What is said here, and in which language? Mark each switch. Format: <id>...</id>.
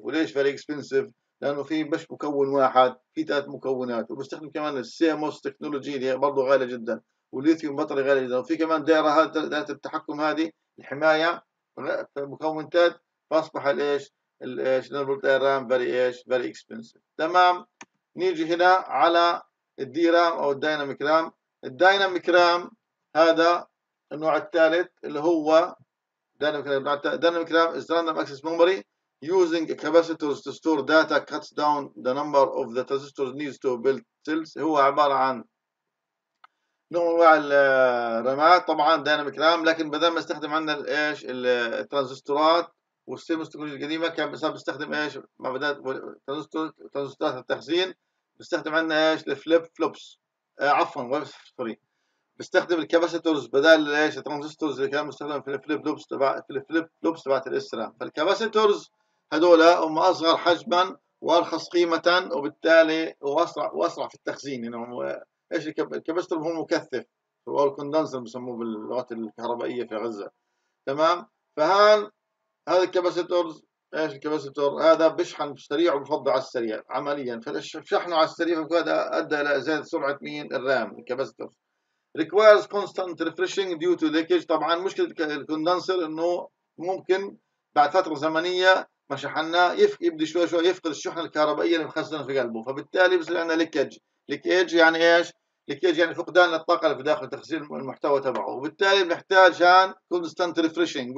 <ar>وليش</ar> <en>very expensive؟</en> <ar>لأنه في مش مكون واحد، في ثلاث مكونات، وبيستخدم كمان CMOS تكنولوجي اللي برضه غالية جدا، والليثيوم بطري غالية جدا، وفي كمان دائرة دائرة التحكم هذه الحماية مكون ثالث، فأصبح الإيش؟ الإيش؟ Non-volatile RAM very إيش؟ very expensive. تمام؟ نيجي هنا على الدي رام أو الدايناميك رام. الدايناميك رام هذا النوع الثالث اللي هو</ar> <en>Dynamic RAM is random access memory using capacitors to store data cuts down the number of the transistors needs to build cells.</en> <ar>هو عبارة عن نوع من الرامات طبعا Dynamic RAM لكن بدل ما استخدم عندنا الايش الترانزستورات والسيموس تكنولوجيا القديمة كان صار بيستخدم ايش ما بدات ترانزستورات التخزين بيستخدم عندنا ايش الفليب فلوبس عفوا سوري بيستخدم الكاباسيتورز بدل ايش الترانزستورز اللي كان مستخدم في الفليب لوبس تبع في الفليب لوبس تبعت الاسرام. فالكاباسيتورز هذول هم اصغر حجما وارخص قيمه وبالتالي واسرع في التخزين. يعني هو ايش الكاباسيتور هو مكثف او الكوندنسر بسموه باللغات الكهربائيه في غزه. تمام. فهل هذا الكاباسيتورز ايش الكاباسيتور هذا بيشحن بسريع وبفضي على السريع عمليا فشحنه على السريع وهذا ادى الى زياده سرعه مين الرام الكاباسيتور.</ar> <en>Requires constant refreshing due to leakage.</en> <ar>طبعا مشكلة الكوندنسر انه ممكن بعد فترة زمنية ما شحناه يبدي شوي شوي يفقد الشحنة الكهربائية اللي مخزنة في قلبه فبالتالي بصير عندنا leakage يعني ايش؟ leakage يعني فقدان للطاقة اللي في داخل تخزين المحتوى تبعه وبالتالي بيحتاج عن constant refreshing.</ar>